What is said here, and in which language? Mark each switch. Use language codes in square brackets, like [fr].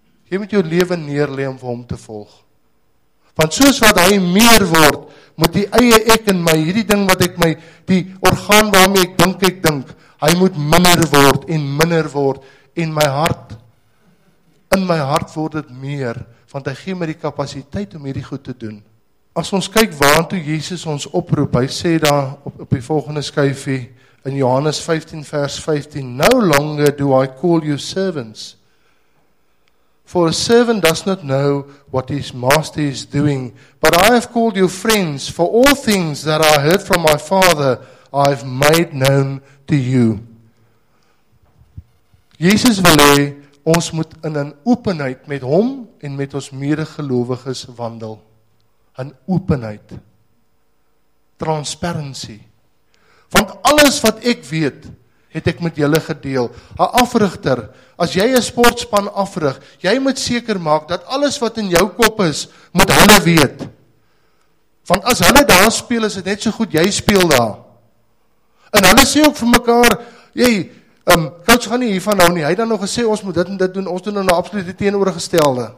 [af] Jy moet jou lewe neerlê om vir hom te volg. Want soos wat hy meer word, moet die eie ek in my, hierdie ding wat ek my, die orgaan waarmee ek dink, hy moet minder word, en my hart, in my hart word het meer, want hy gee my die kapasiteit om hierdie goed te doen. As ons kyk waartoe Jesus ons oproep, hy sê daar op die volgende skyfie, in Johannes 15 vers 15, [en] no longer do I call you servants, for a servant does not know what his master is doing, but I have called you friends, for all things that I heard from my father, I have made known to you. [af] Jesus wil hê, ons moet in 'n openheid met hom en met ons medegelowiges wandel. In openheid. Transparency. Want alles wat ek weet, het ek met julle gedeel. 'N Afrigter, as jy 'n sportspan afrig, jy moet seker maak dat alles wat in jou kop is, moet hulle weet. Want as hulle daar speel, is dit net so goed jy speel daar. En hulle sê ook vir mekaar, jy, coach gaan nie hiervan hou nie, hy het dan nog gesê, ons moet dit en dit doen, ons doen nou absoluut die teenoorgestelde.